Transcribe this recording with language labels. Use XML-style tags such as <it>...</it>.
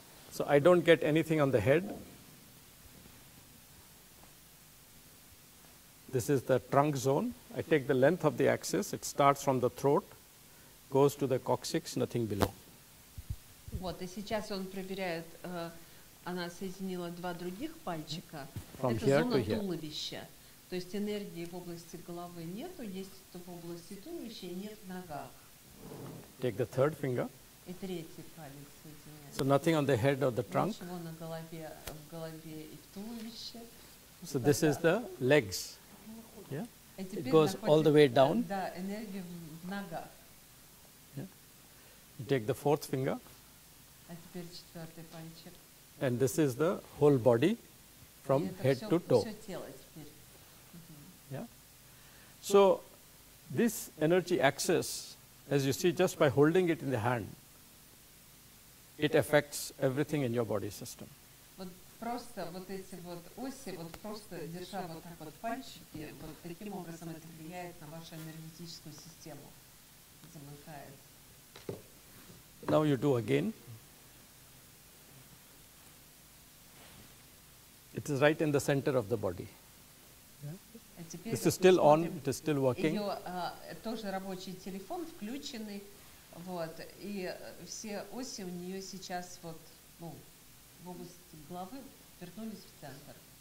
<en>So I don't get anything on the head. This is the trunk zone. I take the length of the axis. It starts from the throat, goes to the coccyx, nothing below.</en> <ru>Вот, и сейчас он проверяет, она соединила два других пальчика.</ru> <en>From</en> <ru>это</ru> <en>here</en> <ru>зона</ru> <en>to here.</en> <ru>Туловища. То есть энергии в области головы нету, есть в области туловища, и нет в ногах.</ru> <en>Take the third finger.</en> <ru>И третий палец соединяет.</ru> <en>So nothing on the head or the trunk.</en> <ru>Ничего на голове, в голове и в туловище.</ru> <en>So</en> <ru>вот</ru> <en>this</en> <ru>тогда.</ru> <en>Is the legs. Yeah? It goes all the way down.</en> <ru>Да, энергия в ногах.</ru> <en>Yeah? Take the fourth finger.</en> <ru>А теперь четвертый пальчик.</ru> <en>And this is the whole body from head</en> <ru>все,</ru> <en>to toe.</en> <ru>Все тело теперь.</ru> <en>Mm-hmm. Yeah? So this energy axis, as you see, just by holding it in the hand, it affects everything in your body system.</en> <ru>Вот просто вот эти вот оси, вот просто держа вот так вот пальчики, вот таким образом это влияет на вашу энергетическую систему. Замыкает.</ru> <en>Now you do again. It is right in the center of the body. Yeah. This is still on, it is still working.</en> <ru>Тоже рабочий телефон включенный, вот, и все оси у нее сейчас вот, ну, в области головы вернулись в центр.</ru>